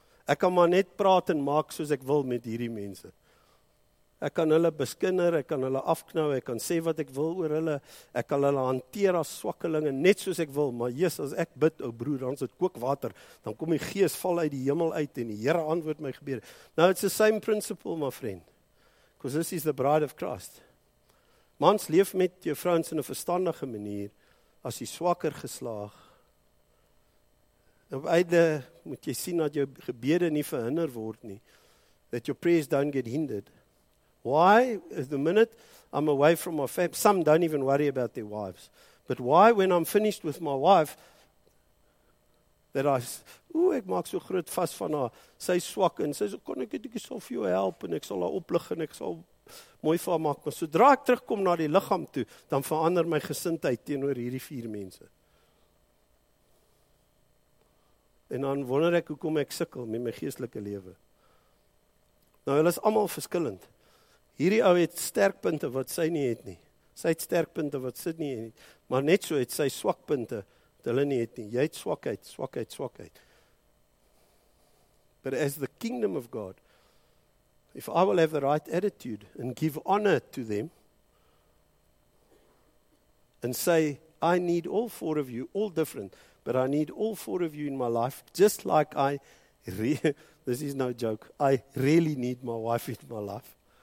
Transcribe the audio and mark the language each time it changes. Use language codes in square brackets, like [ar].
[af] Ek kan maar net praat en maak soos ek wil met hierdie mense. Ek kan hulle beskinder, ek kan hulle afknou, ek kan sê wat ek wil oor hulle, ek kan hulle hanteer as swakkelinge, net soos ek wil, maar Jesus, as ek bid, ou broer, dan sit kookwater, dan kom die gees val uit die hemel uit en die Here antwoord my gebede. [en] Nou, it's the same principle, my friend, because this is the bride of Christ. [af] Mans, leef met jou vrouens in 'n verstandige manier, as jy swakker geslaag, op einde moet jy sien dat jou gebede nie verhinder word nie, [en] that your prayers don't get hindered. Why, the minute I'm away from my family, some don't even worry about their wives. But why, when I'm finished with my wife, that I, [af] ooh, ek maak so groot vas van haar, sy is swak, en sy is, kon ek het ek sal vir jou help, en ek sal haar oplig, en ek sal mooi vir haar maak. Maar sodra ek terugkom na die liggaam toe, dan verander my gesindheid teenoor hierdie vier mense. En dan wonder ek hoekom ek sukkel met my geestelike lewe. Nou, hulle is allemaal verskillend. Hierdie ou het sterkpunte wat sy nie het nie. Sy het sterkpunte wat sy nie het nie. Maar net so het sy swakpunte wat hulle nie het nie. Jy het swakheid, swakheid, swakheid. [en] But as the kingdom of God, if I will have the right attitude and give honor to them, and say, I need all four of you, all different, but I need all four of you in my life, just like I, this is no joke, I really need my wife in my life.